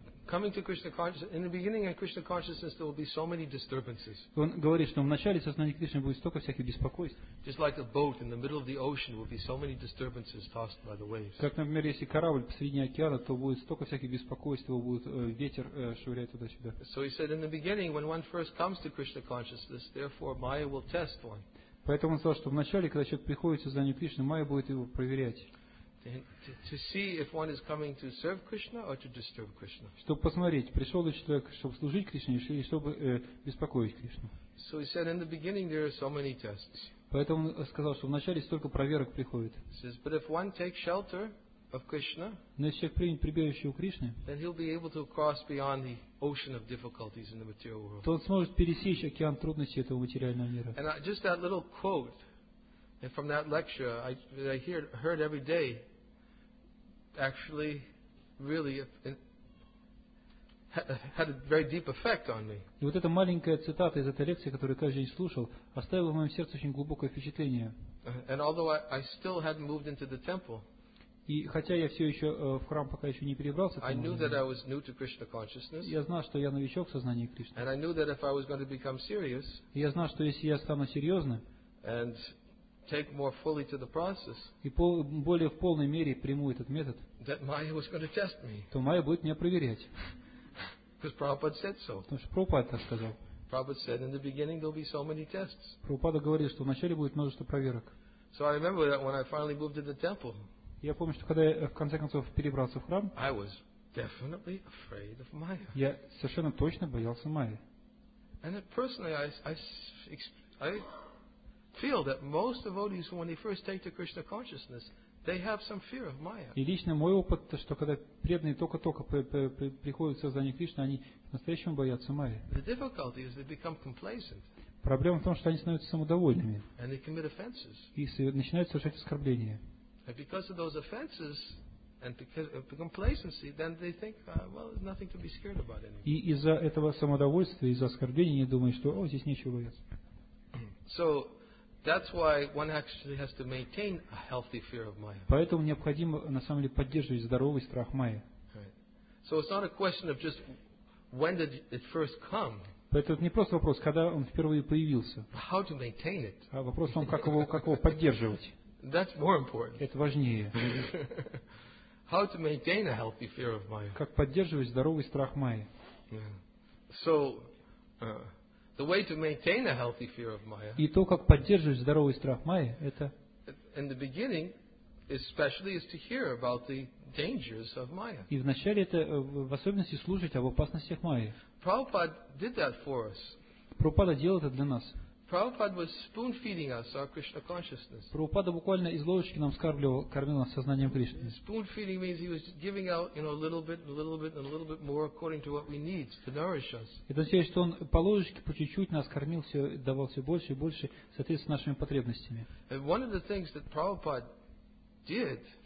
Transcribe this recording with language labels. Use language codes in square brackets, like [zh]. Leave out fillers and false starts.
[en] Coming to Krishna consciousness, in the beginning of Krishna consciousness, there will be so many disturbances. [ru] Он говорит, что в начале сознания Кришны будет столько всяких беспокойств. [en] Just like a boat in the middle of the ocean, will be so many disturbances tossed by the waves. [ru] Как, например, если корабль посреди океана, то будет столько всяких беспокойств, его будет ветер швырять туда-сюда. [en] So he said, in the beginning, when one first comes to Krishna consciousness, therefore Maya will test one. [ru] Поэтому он сказал, что в начале, когда человек приходит к сознанию Кришны, Майя будет его проверять. [en] To see if one is coming to serve Krishna or to disturb Krishna. [ru] Чтобы посмотреть, пришел ли человек, чтобы служить Кришне, или чтобы беспокоить Кришну. [en] So he said, in the beginning there are so many tests. [ru] Поэтому он сказал, что вначале столько проверок приходит. [en] He says, but if one takes shelter of Krishna, [ru] если человек примет прибежище у Кришны, [en] then he'll be able to cross beyond the ocean of difficulties in the material world. [ru] То он сможет пересечь океан трудностей этого материального мира. [en] And just that little quote. And from that lecture, I heard every day, actually, really, had a very deep effect on me. [ru] И вот эта маленькая цитата из этой лекции, которую каждый день слушал, оставила в моем сердце очень глубокое впечатление. [en] And although I still hadn't moved into the temple, [ru] и хотя я все еще в храм пока еще не перебрался, [en] I knew that I was new to Krishna consciousness. [ru] Я знал, что я новичок в сознании Кришны. [en] And I knew that if I was going to become serious, [ru] я знал, что если я стану серьезным, [en] and take more fully to the process. [ru] И более в полной мере приму этот метод. [en] That Maya was going to test me. [ru] То Майя будет меня проверять. [en] Because Prabhupada said so. [ru] Потому что Прабхупада так сказал. [en] Prabhupada said in the beginning there'll be so many tests. [ru] Прабхупада говорил, что вначале будет множество проверок. [en] So I remember that when I finally moved to the temple. [ru] Я помню, что когда я в конце концов перебрался в храм. [en] I was definitely afraid of Maya. [ru] Я совершенно точно боялся Майи. [en] And personally, I feel that most devotees, when they first take to Krishna consciousness, they have some fear of Maya. [ru] И лично мой опыт, что когда преданные только-только приходят к сознанию Кришны, они настоящему боятся Майи. [en] The difficulty is they become complacent. [ru] Проблема в том, что они становятся самодовольными. [en] And they commit offenses. [ru] И начинают совершать оскорбления. [en] And because of those offenses and because of complacency, then they think, well, there's nothing to be scared about anymore. [ru] И из-за этого самодовольства, из-за оскорблений, они думают, что, о, здесь нечего бояться. [en] So that's why one actually has to maintain a healthy fear of Maya. [ru] Поэтому необходимо на самом деле поддерживать здоровый страх Майи. [en] So it's not a question of just when did it first come. [ru] Поэтому это не просто вопрос, когда он впервые появился. [en] How to maintain it. [ru] А вопрос в том, как его поддерживать. [en] That's more important. [ru] Это важнее. [en] How to maintain a healthy fear of Maya. [ru] Как поддерживать здоровый страх Майи. [en] So the way to maintain a healthy fear of Maya. [ru] И то, как поддерживать здоровый страх Майи, это. [en] In the beginning, especially, is to hear about the dangers of Maya. [ru] И вначале это в особенности слушать об опасностях Майи. [en] Prabhupada did that for us. [ru] Прабхупада делал это для нас. [en] Prabhupada was spoon feeding us our Krishna consciousness. [ru] Прабхупада буквально из ложечки нам скармливал, кормил нас сознанием Кришны. [en] Spoon feeding means he was giving out, you know, a little bit, a little bit, and a little bit more according to what we need to nourish us. [ru] Это значит, что он по ложечке по чуть-чуть нас кормил, все давал все больше и больше, соответственно нашими потребностями. [en] And one of the things that Prabhupada did.